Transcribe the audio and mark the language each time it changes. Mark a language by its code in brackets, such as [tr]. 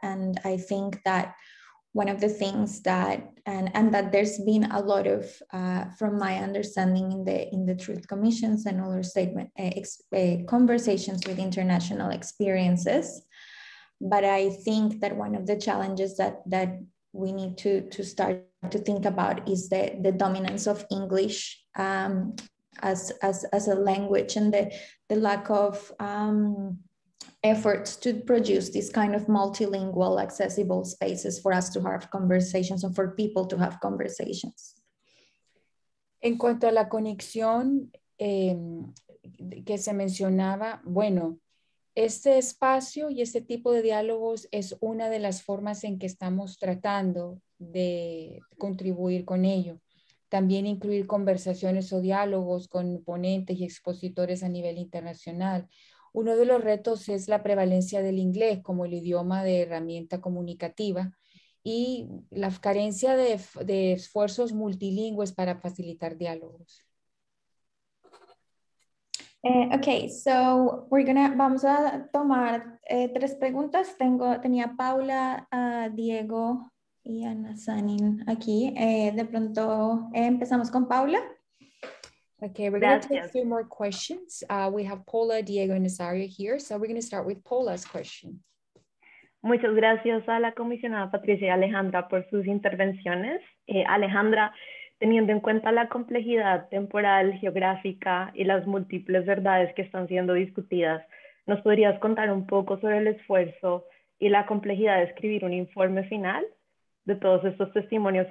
[en] And I think that one of the things that and that there's been a lot of from my understanding in the truth commissions and other statement conversations with international experiences, but I think that one of the challenges that we need to start to think about is the dominance of English as a language and the lack of efforts to produce this kind of multilingual accessible spaces for us to have conversations and for people to have conversations. [es] En cuanto a la conexión que se mencionaba, bueno, este espacio y este tipo de diálogos es una de las formas en que estamos tratando de contribuir con ello. También incluir conversaciones o diálogos con ponentes y expositores a nivel internacional. Uno de los retos es la prevalencia del inglés como el idioma de herramienta comunicativa y la carencia de esfuerzos multilingües para facilitar diálogos. [en] Okay, so we're gonna [es] vamos a tomar tres preguntas. Tenía Paula, Diego y Ana Sanin aquí. De pronto empezamos con Paula. [en] Okay, we're gonna take three more questions. We have Paula, Diego, and Nazario here, so we're gonna start with Paula's question. [es] Muchas gracias a la comisionada Patricia y Alejandra por sus intervenciones. Alejandra, teniendo en cuenta la complejidad temporal, geográfica y las múltiples verdades que están siendo discutidas, ¿nos podrías contar un poco sobre el esfuerzo y la complejidad de escribir un informe final de todos estos testimonios?